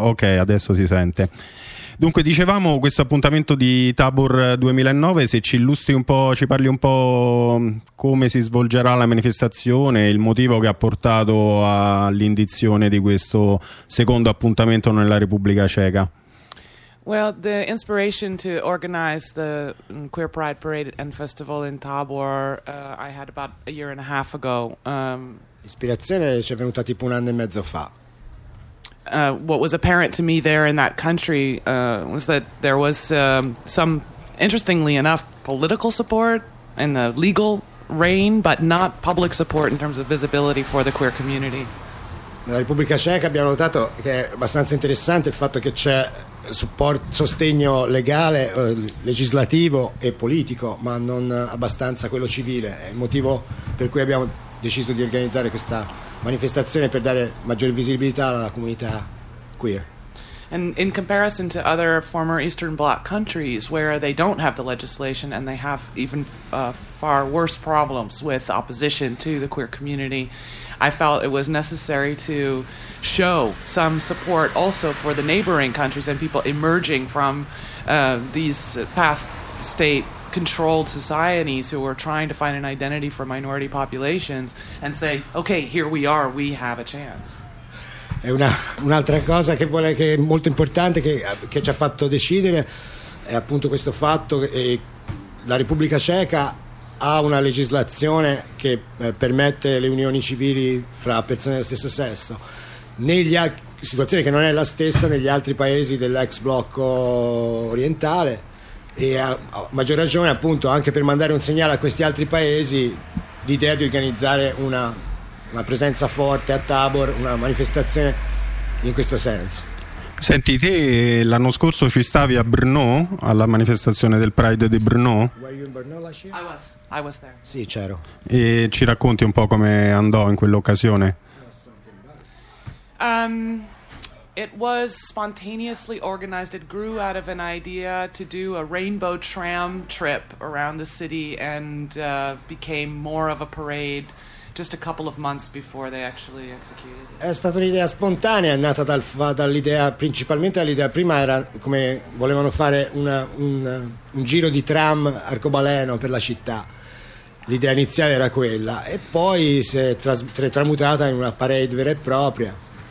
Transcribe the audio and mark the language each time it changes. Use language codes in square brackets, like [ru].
[it] Ok, adesso si sente. Dunque, dicevamo, questo appuntamento di Tabor 2009, se ci illustri un po', ci parli un po' come si svolgerà la manifestazione, il motivo che ha portato all'indizione di questo secondo appuntamento nella Repubblica Ceca. [en] Well, the inspiration to organize the Queer Pride Parade and Festival in Tabor I had about a year and a half ago. [it] L'ispirazione ci è venuta tipo un anno e mezzo fa. [en] What was apparent to me there in that country was that there was some, interestingly enough, political support in the legal reign, but not public support in terms of visibility for the queer community. [it] Nella Repubblica Ceca abbiamo notato che è abbastanza interessante il fatto che c'è sostegno legale, legislativo e politico, ma non abbastanza quello civile. È il motivo per cui abbiamo deciso di organizzare questa manifestazione per dare maggiore visibilità alla comunità queer. [en] And in comparison to other former Eastern Bloc countries where they don't have the legislation and they have even far worse problems with opposition to the queer community, I felt it was necessary to show some support also for the neighboring countries and people emerging from these past state controlled societies who are trying to find an identity for minority populations and say, okay, here we are, we have a chance. [it] È un'altra cosa che vuole, che è molto importante, che ci ha fatto decidere, è appunto questo fatto che la Repubblica Ceca ha una legislazione che permette le unioni civili fra persone dello stesso sesso. Situazione che non è la stessa negli altri paesi dell'ex blocco orientale. E a maggior ragione, appunto, anche per mandare un segnale a questi altri paesi, l'idea di organizzare una presenza forte a Tabor, una manifestazione in questo senso. Senti, te l'anno scorso ci stavi a Brno, alla manifestazione del Pride di Brno? [en] Were you in Brno last year? I was there. [it] Sì, c'ero. E ci racconti un po' come andò in quell'occasione? [en] It was spontaneously organized. It grew out of an idea to do a rainbow tram trip around the city and became more of a parade just a couple of months before they actually executed it. [it] È stata un'idea spontanea, è nata dall'idea, principalmente dall'idea prima era come volevano fare un giro di tram arcobaleno per la città. L'idea iniziale era quella e poi si è tramutata in una parade vera e propria.